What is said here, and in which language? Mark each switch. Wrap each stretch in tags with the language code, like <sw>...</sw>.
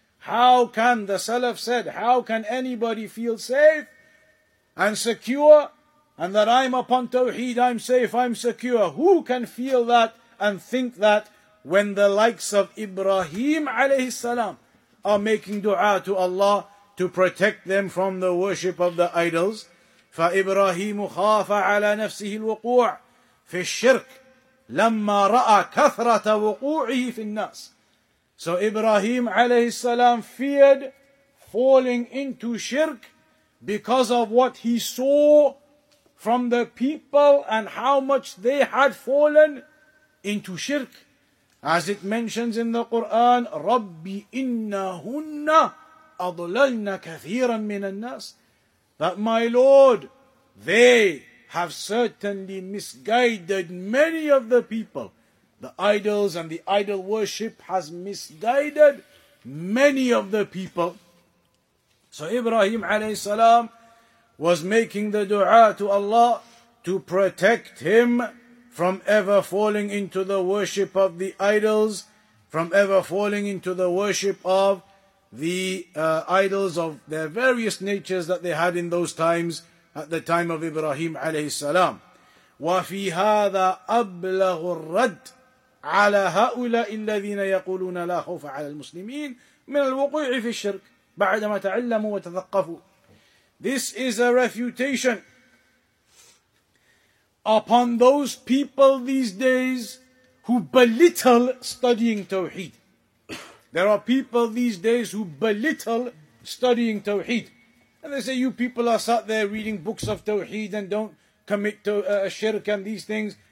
<en>How can the Salaf said, how can anybody feel safe and secure, and that I'm upon Tawheed, I'm safe, I'm secure? Who can feel that and think that when the likes of Ibrahim alayhi salam are making dua to Allah to protect them from the worship of the idols?</en> <ar>فإبراهيم خاف على نفسه الوقوع في الشرك لما رأى كثرة وقوعه في الناس.</ar> <en>So Ibrahim alayhi salam feared falling into shirk because of what he saw from the people and how much they had fallen into shirk. As it mentions in the Quran,</en> <ar>رَبِّ إِنَّهُنَّ أَضْلَلْنَا كَثِيرًا مِنَ النَّاسِ,</ar> <en>that my Lord, they have certainly misguided many of the people. The idols and the idol worship has misguided many of the people. So Ibrahim alayhi salam was making the dua to Allah to protect him from ever falling into the worship of the idols, from ever falling into the worship of the idols of their various natures that they had in those times, at the time of Ibrahim alayhi salam.</en> <ar>وَفِي هَذَا أَبْلَغُ الرَّدِّ على هؤلاء الذين يقولون لا خوف على المسلمين من الوقوع في الشرك بعدما تعلموا وتثقفوا.</ar> <en>This is a refutation upon those people these days who belittle studying Tawheed. There are people these days who belittle studying Tawheed. And they say, you people are sat there reading books of Tawheed and don't commit to shirk and these things.</en>